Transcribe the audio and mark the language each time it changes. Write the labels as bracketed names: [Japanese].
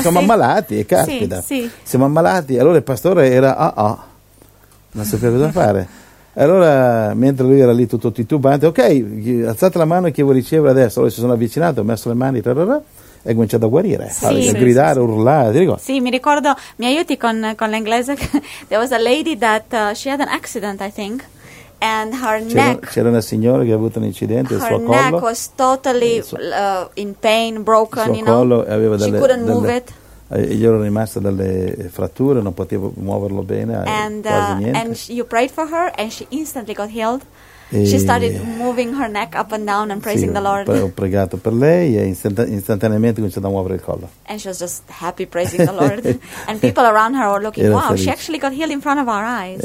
[Italian] siamo ammalati, e caspita. Sì, sì. Siamo ammalati. Allora il pastore era, non sapeva cosa fare. Allora, mentre lui era lì tutto titubante, ok, alzate la mano che vuoi ricevere adesso. Allora si sono avvicinati, ho messo le mani tararara, e ho cominciato a guarire, sì, a gridare, sì, urlare. Ti ricordo? Sì, mi ricordo, mi aiuti con l'inglese. [English] There was a lady that she had an accident, I think. And her neck, [Italian] c'era una signora che ha avuto un incidente, [English] her [Italian] suo [English] neck [Italian] collo, [English] was totally in pain, broken. [Italian] Il suo collo aveva delle, [English] she couldn't move it. [Italian] Gli ero rimasta delle fratture, non potevo muoverlo bene, quasi niente. [English] And you prayed for her and she instantly got healed. She started moving her neck up and down and praising the Lord. [Italian] Ho pregato per lei e istantaneamente cominciato a muovere il collo. [English] And she was just happy praising the Lord. And people around her were looking, [Italian] era [English] wow, [Italian] felice. [English] She actually got healed in front of our eyes.